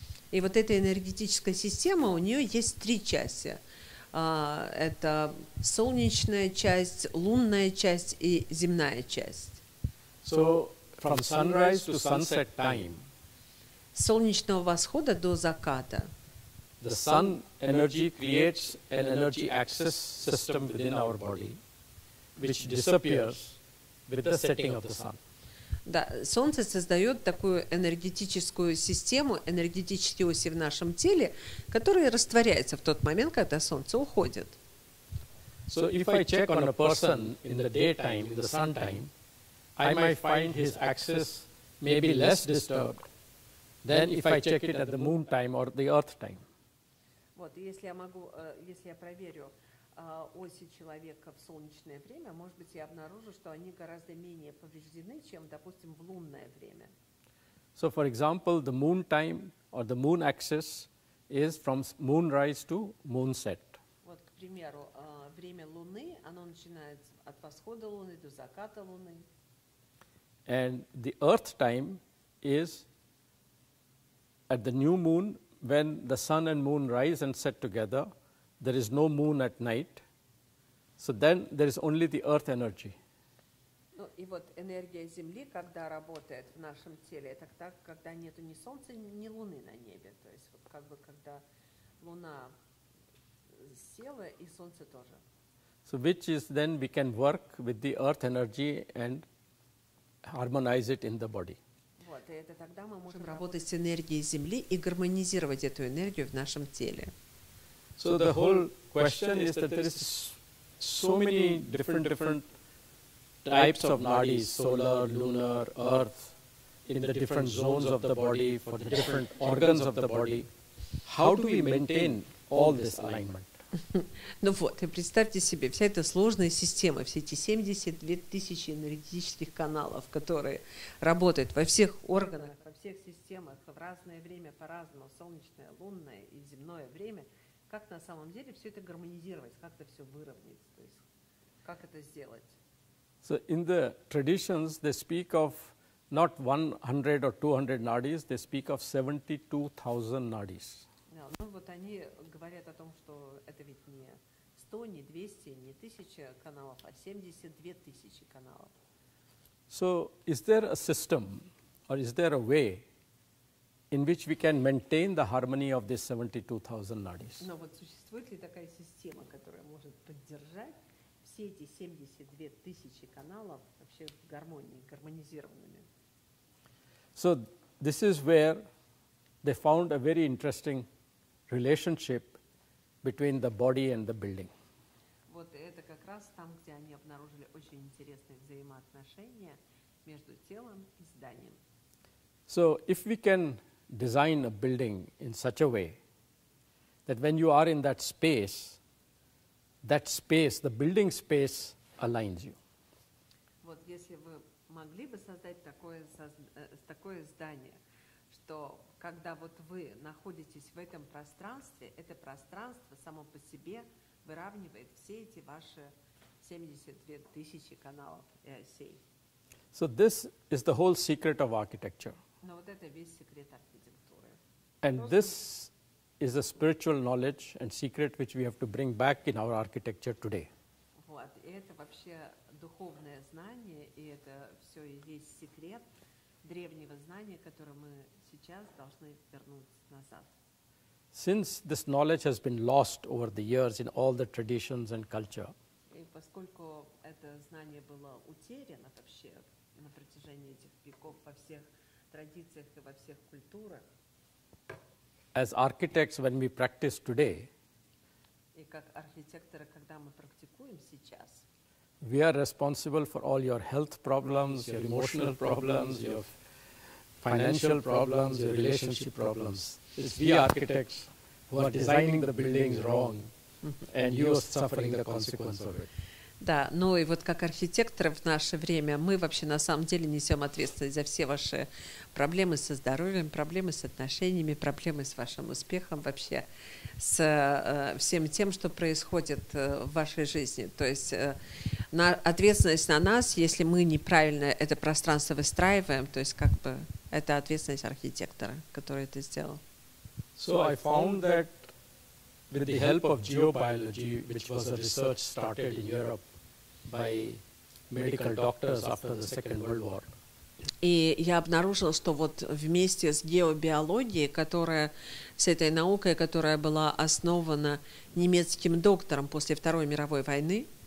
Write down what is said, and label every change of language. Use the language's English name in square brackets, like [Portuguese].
[Russian] И вот эта энергетическая система, у нее есть три части. Это солнечная часть, лунная часть и земная часть. [English] So from sunrise to sunset time. [Russian] С солнечного восхода до заката. [English] The sun energy creates an energy access system within our body. which disappears with the setting of the sun. [Russian] Да, солнце создает такую энергетическую систему, энергетические оси в нашем теле, которые растворяются в тот момент, когда солнце уходит. [English] So if I check on a person in the daytime, in the sun time, I might find his axis maybe less disturbed than if I check it at the moon time or the earth time. [Russian] Вот, если я могу, если я проверю оси человека в солнечное время, может быть, я обнаружу, что они гораздо менее повреждены, чем, допустим, в лунное время. [English] So, for example, the moon time or the moon axis is from moonrise to moonset. [Russian] Вот, к примеру, время Луны, оно начинается от восхода Луны до заката Луны. [English] And the earth time is at the new moon when the sun and moon rise and set together. There is no moon at night, so then there is only the earth energy. [Russian] Ну и вот энергия Земли, когда работает в нашем теле, это так, когда нету ни солнца, ни луны на небе. То есть вот как бы когда луна села и солнце тоже. [English] So which is then we can work with the earth energy and harmonize it in the body. [Russian] Вот и это тогда мы можем работать с энергией Земли и гармонизировать эту энергию в нашем теле. [English] So the whole question is that there is so many different types of nadis, solar, lunar, earth, in the different zones of the body, for the different organs of the body. How do we maintain all this alignment? [Russian] Ну вот, и представьте себе, вся эта сложная система, все эти 72 тысячи энергетических каналов, которые работают во всех органах, во всех системах, в разное время по-разному, солнечное, лунное и земное время, как на самом деле все это гармонизировать, как это все выровнять, то есть как это сделать? [English] So in the traditions they speak of not 100 or 200 nadis, they speak of 72,000 nadis. [Russian] Ну вот они говорят о том, что это ведь не 100, не 200, не 1000 каналов, а 72 тысячи каналов. [English] So is there a system or is there a way in which we can maintain the harmony of these 72,000 nadis? [Russian] Но вот существует ли такая система, которая может поддержать все эти 72 тысячи каналов вообще в гармонии, гармонизированными? [English] So this is where they found a very interesting relationship between the body and the building. [Russian] Вот это как раз там, где они обнаружили очень интересные взаимоотношения между телом и зданием. [English] So if we can design a building in such a way that when you are in that space, the building space aligns you. [Russian] Вот если вы могли бы создать такое здание, что когда вот вы находитесь в этом пространстве, это пространство само по себе выравнивает все эти ваши 72 тысячи каналов и осей. [English] So this is the whole secret of architecture. [Russian] Но вот это весь секрет архитектуры. [English] And this is a spiritual knowledge and secret which we have to bring back in our architecture today. [Russian] Вот, и это вообще духовное знание, и это все и есть секрет древнего знания, которое мы сейчас должны вернуть назад. [English] Since this knowledge has been lost over the years in all the traditions and culture. [Russian] И поскольку это знание было утеряно вообще на протяжении этих веков во всех традициях и во всех культурах. [English] As architects, when we practice today, [Russian] и как архитекторы, когда мы практикуем сейчас, [English] we are responsible for all your health problems, your emotional problems, your financial problems, your relationship problems. It's we architects who are designing the buildings wrong, and you are suffering the consequence of it. [Russian] Да, ну и вот как архитекторы в наше время, мы вообще на самом деле несем ответственность за все ваши проблемы со здоровьем, проблемы с отношениями, проблемы с вашим успехом вообще, с всем тем, что происходит в вашей жизни. То есть ответственность на нас, если мы неправильно это пространство выстраиваем, то есть как бы это ответственность архитектора, который это сделал. [English] So I found that with the help of geobiology, which was a research started in Europe by medical doctors after the Second World War. [Russian] И я обнаружила, что вот вместе с геобиологией, которая с этой наукой, которая была основана немецким доктором после Второй мировой войны,